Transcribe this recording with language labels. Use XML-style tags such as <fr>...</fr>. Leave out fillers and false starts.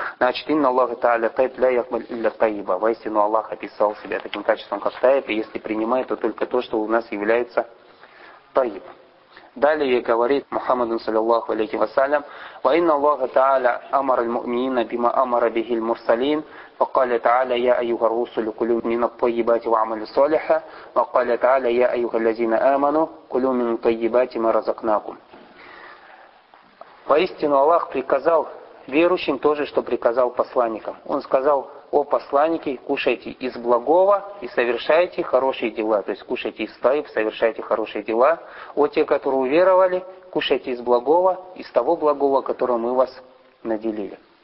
<ru>Значит,</ru> <ar>инна Аллаха тааля тайб ля якбаль илля тайба.</ar> <ru>Воистину Аллах описал себя таким качеством, как тайб, и если принимает, то только то, что у нас является тайб. Далее говорит Мухаммаду саллиллаху алейхи вассалям,</ru> <ar>ва инна Аллаха тааля амар аль-муминина бима амара бихи аль-мурсалин. وقال تعالى يا أيها الرسل كلوا من الطيبات وعملوا صالحا وقال تعالى يا أيها الذين آمنوا كلوا من الطيبات ما رزقناكم.</ar> <ru>Воистину Аллах приказал верующим то же, что приказал посланникам. Он сказал: о посланники, кушайте из благого и совершайте хорошие дела. То есть кушайте из таиб, совершайте хорошие дела. О те, которые уверовали, кушайте из благого, из того благого, которое мы вас наделили.</ru>